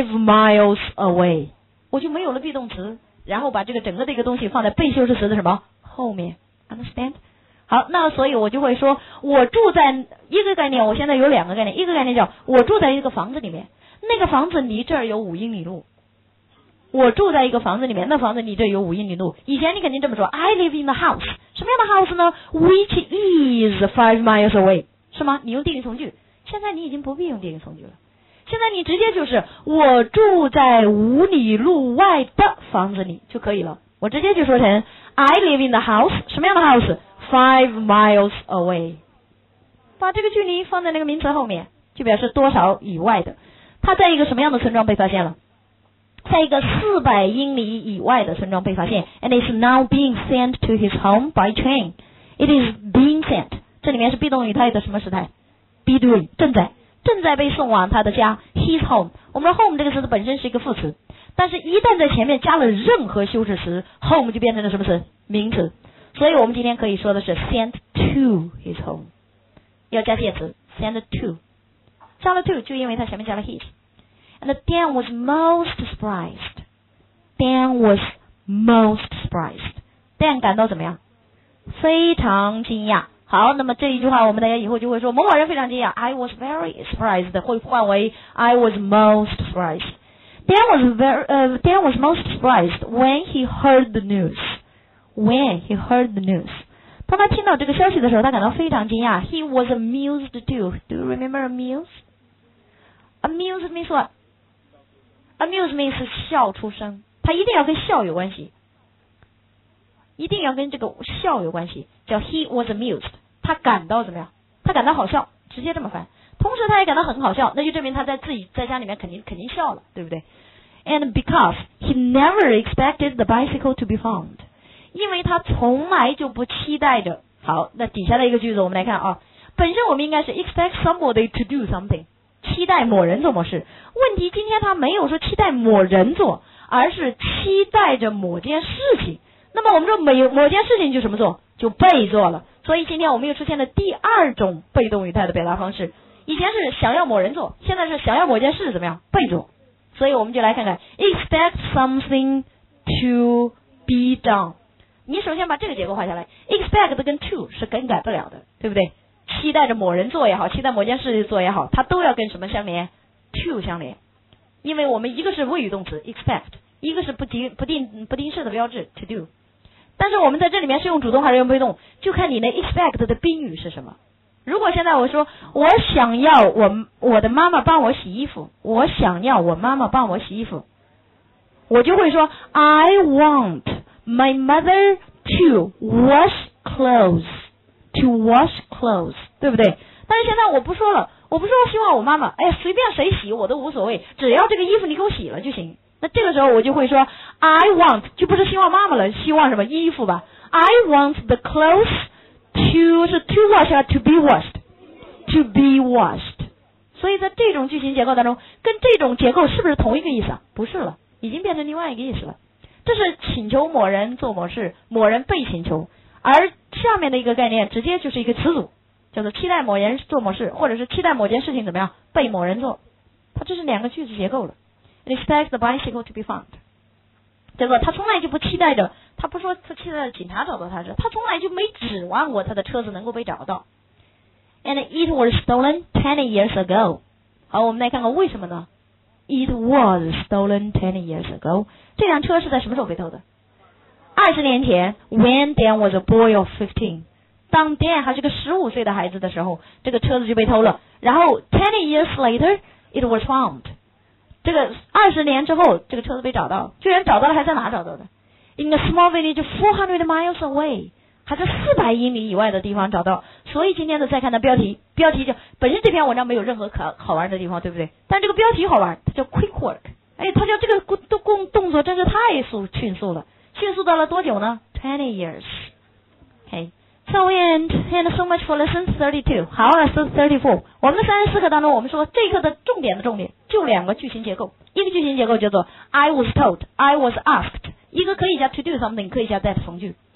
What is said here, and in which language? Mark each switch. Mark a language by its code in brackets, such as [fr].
[en] 5 miles away， [zh] 我就没有了 be 动词，然后把这个整个的一个东西放在被修饰词的什么后面。 [en] understand？ [zh] 好，那所以我就会说，我住在一个概念，我现在有两个概念，一个概念叫我住在一个房子里面，那个房子离这儿有五英里路。我住在一个房子里面，那房子离这儿有五英里路。以前你肯定这么说 ， [en] I live in the house， [zh] 什么样的 house 呢 ？ [en] Which is 5 miles away， [zh] 是吗？你用定语从句，现在你已经不必用定语从句了，现在你直接就是我住在五里路外的房子里就可以了。我直接就说成 [en] I live in the house， [zh] 什么样的 house？ [en] 5 miles away， [zh] 把这个距离放在那个名词后面，就表示多少以外的。它在一个什么样的村庄被发现了？在一个400英里以外的村庄被发现。 [en] And it's now being sent to his home by train. It is being sent， [zh] 这里面是 be 动语，它有的什么时态？ [en] Be doing， [zh] 正在被送往他的家， [en] his home。 [zh] 我们说 home 这个词本身是一个副词，但是一旦在前面加了任何修饰词， home 就变成了什么词？名词。所以我们今天可以说的是 [en] sent to his home， [zh] 要加介词 sent to， 加了 to 就因为他前面加了 his。 [en] And Dan was most surprised， Dan was most surprised， Dan [zh] 感到怎么样？非常惊讶。好，那么这一句话我们大家以后就会说某某人非常惊讶， [en] I was very surprised， [zh] 会换为 [en] I was most surprised。 Dan was most surprised when he heard the newsWhen he heard the news， [zh] 当他听到这个消息的时候，他感到非常惊讶。 [en] He was amused too. Do you remember amused? Amused means what? Amused means [zh] 笑出声。他一定要跟笑有关系，一定要跟这个笑有关系。叫 [en] He was amused， [zh] 他感到怎么样？他感到好笑，直接这么翻。同时他也感到很好笑，那就证明他在自己在家里面肯定笑了，对不对？ [en] And because he never expected the bicycle to be found. [zh] 因为他从来就不期待着。好，那底下的一个句子我们来看啊，本身我们应该是 [en] expect somebody to do something， [zh] 期待某人做某事。问题今天他没有说期待某人做，而是期待着某件事情。那么我们说某件事情就什么做？就被做了。所以今天我们又出现了第二种被动语态的表达方式。以前是想要某人做，现在是想要某件事怎么样？被做。所以我们就来看看 [en] expect something to be done。 [zh] 你首先把这个结构画下来， expect 跟 to 是更改不了的，对不对？期待着某人做也好，期待某件事做也好，它都要跟什么相连？ to 相连。因为我们一个是谓语动词 expect， 一个是不定式的标志 to do。但是我们在这里面是用主动还是用被动，就看你那 expect 的宾语是什么。如果现在我说我想要 我的妈妈帮我洗衣服，我想要我妈妈帮我洗衣服，我就会说 [en] I want my mother to wash clothes， [zh] to wash clothes， 对不对？但是现在我不说了，我不是说希望我妈妈，哎呀，随便谁洗我都无所谓，只要这个衣服你给我洗了就行。那这个时候我就会说 [en] I want， [zh] 就不是希望妈妈了，希望什么衣服吧。 [en] I want the clothes to， 是 to wash [zh] 还是 [en] to be washed？ To be washed。 [zh] 所以在这种句型结构当中，跟这种结构是不是同一个意思啊？不是了，已经变成另外一个意思了。这是请求某人做某事，某人被请求。而下面的一个概念直接就是一个词组，叫做期待某人做某事，或者是期待某件事情怎么样被某人做。它这是两个句子结构了。 [en] Expect the bicycle to be found， [zh] 叫做他从来就不期待着，他不说他期待着警察找到他，他从来就没指望过他的车子能够被找到。 [en] And it was stolen 10 years ago。 [zh] 好，我们来看看为什么呢？ [en] It was stolen 10 years ago。 [zh] 这辆车是在什么时候被偷的？ 20年前。 [en] When Dan was a boy of 15， [zh] 当 Dan 还是个15岁的孩子的时候，这个车子就被偷了。然后 [en] 10 years later it was found， [zh] 这个20年之后这个车子被找到，居然找到了，还在哪找到的？ [en] In a small village 400 miles away， [zh] 还在400英里以外的地方找到。所以今天的再看的标题，标题就本身这篇文章没有任何可好玩的地方，对不对？但这个标题好玩，它叫 [en] quick work。 [zh] 哎，它叫这个动作真是太迅速了，迅速到了多久呢？ [en] 20 years。 OK，So and so much for lesson 32. How are lesson 34? [zh] 我们的34课当中，我们说这一课的重点就两个句型结构。一个句型结构叫做 [en] I was told, I was asked， [zh] 一个可以加 [en] to do something， [zh] 可以加 that 从句。